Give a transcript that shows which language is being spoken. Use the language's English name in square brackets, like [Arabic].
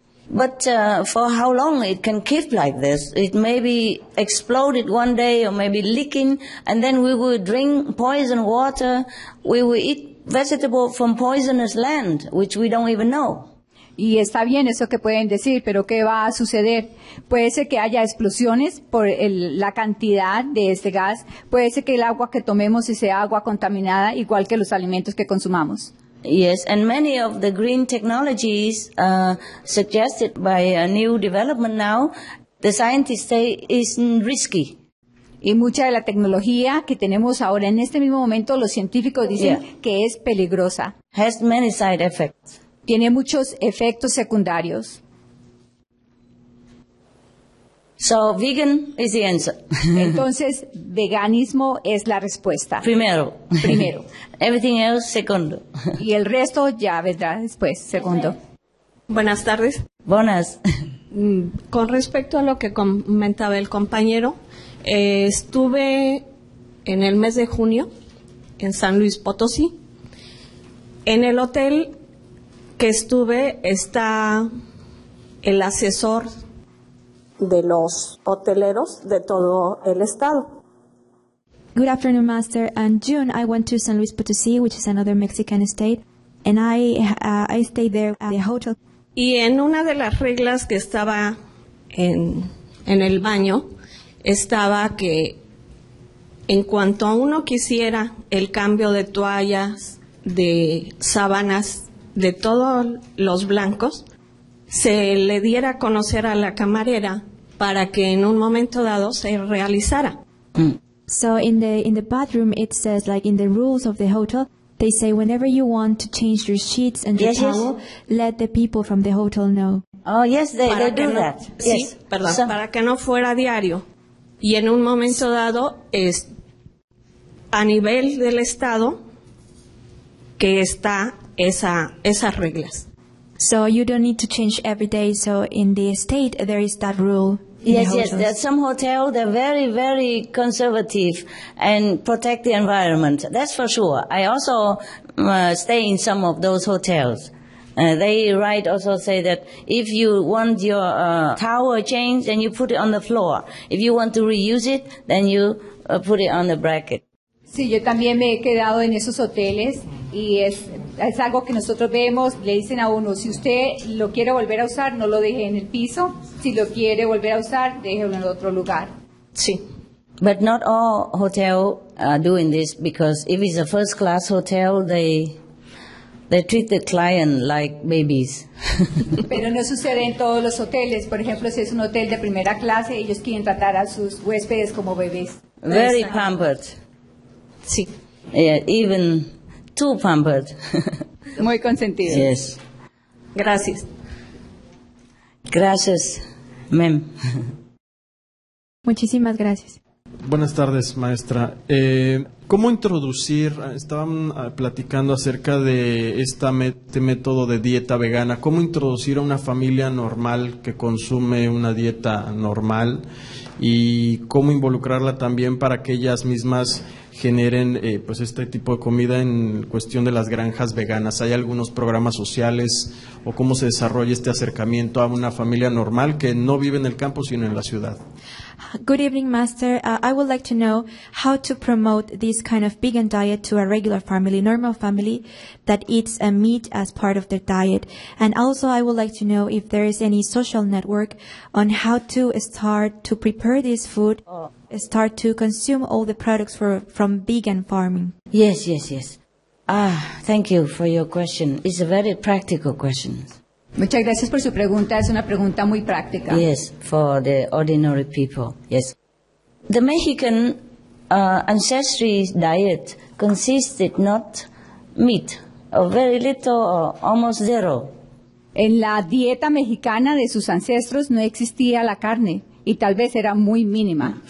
[English] But for how long it can keep like this? It may be exploded one day or maybe leaking, and then we will drink poison water, we will eat vegetable from poisonous land, which we don't even know. [Spanish] Y está bien eso que pueden decir, pero ¿qué va a suceder? Puede ser que haya explosiones por la cantidad de este gas. Puede ser que el agua que tomemos sea agua contaminada, igual que los alimentos que consumamos. [English] Yes, and many of the green technologies suggested by a new development now, the scientists say is risky. [Spanish] Y mucha de la tecnología que tenemos ahora en este mismo momento, los científicos dicen que es peligrosa. [English] Has many side effects. [Spanish] Tiene muchos efectos secundarios. [English] So vegan is the answer. [Spanish] Entonces, veganismo es la respuesta. Primero. [English] Everything else, [Spanish] segundo. Y el resto ya vendrá después, segundo. Buenas tardes. Buenas. Con respecto a lo que comentaba el compañero, estuve en el mes de junio en San Luis Potosí. En el hotel que estuve está el asesor de los hoteleros de todo el estado. [English] Good afternoon, Master. In June, I went to San Luis Potosí, which is another Mexican state, and I stayed there at the hotel. [Spanish] Y en una de las reglas que estaba en el baño, estaba que en cuanto uno quisiera el cambio de toallas, de sábanas, de todos los blancos, se le diera a conocer a la camarera para que en un momento dado se realizara. [English] So in the bathroom it says, like in the rules of the hotel, they say whenever you want to change your sheets and your towel, let the people from the hotel know. Oh yes, they do that. [Spanish] Sí, [English] yes. [Spanish] Perdón, so, para que no fuera diario. Y en un momento dado es a nivel del estado que está esas reglas. [English] So you don't need to change every day, so in the state there is that rule. Yes, there are some hotels, they're very, very conservative and protect the environment. That's for sure. I also stay in some of those hotels. They write also say that if you want your towel changed, then you put it on the floor. If you want to reuse it, then you put it on the bracket. [Spanish] Sí, yo también me he quedado en esos hoteles y es algo que nosotros vemos, le dicen a uno, si usted lo quiere volver a usar, no lo deje en el piso. Si lo quiere volver a usar, déjelo en otro lugar. Sí. [English] But not all hotels are doing this because if it's a first class hotel, they They treat the client like babies. [Spanish] Pero no sucede en todos los hoteles. Por ejemplo, si es un hotel de primera clase, ellos quieren tratar a sus huéspedes como bebés. [English] Very pampered. [Spanish] Sí. [English] Yeah, even too pampered. [Spanish] Muy consentido. [English] Yes. [Spanish] Gracias. Gracias, ma'am. Muchísimas gracias. Buenas tardes, maestra. ¿Cómo introducir? Estaban platicando acerca de este método de dieta vegana. ¿Cómo introducir a una familia normal que consume una dieta normal? ¿Y cómo involucrarla también para que ellas mismas generen pues este tipo de comida en cuestión de las granjas veganas? ¿Hay algunos programas sociales o cómo se desarrolla este acercamiento a una familia normal que no vive en el campo sino en la ciudad? [English] Good evening, Master. I would like to know how to promote this kind of vegan diet to a regular family, normal family, that eats meat as part of their diet. And also, I would like to know if there is any social network on how to start to prepare this food, start to consume all the products from vegan farming. Yes, yes, yes. Ah, thank you for your question. It's a very practical question. [Spanish] Muchas gracias por su pregunta. Es una pregunta muy práctica. [English] Yes, for the ordinary people. Yes. The Mexican ancestry diet consisted not meat, or very little or almost zero. [Spanish] En la dieta mexicana de sus ancestros no existía la carne y tal vez era muy mínima.